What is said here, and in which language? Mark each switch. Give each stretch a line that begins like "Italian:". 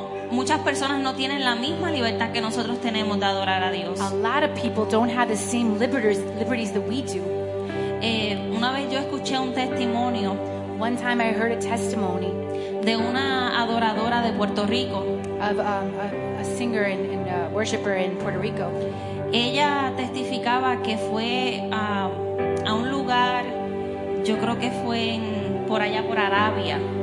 Spanish: Muchas personas no tienen la misma libertad que nosotros tenemos de adorar a Dios.
English: A lot of people don't have the same liberties that we do.
Spanish: Una vez yo escuché un testimonio.
English: One time I heard a testimony
Spanish: de una adoradora de Puerto Rico.
English: Of a singer and a worshiper in Puerto Rico.
Spanish: Ella testificaba que fue a un lugar, yo creo que fue en, por allá por Arabia.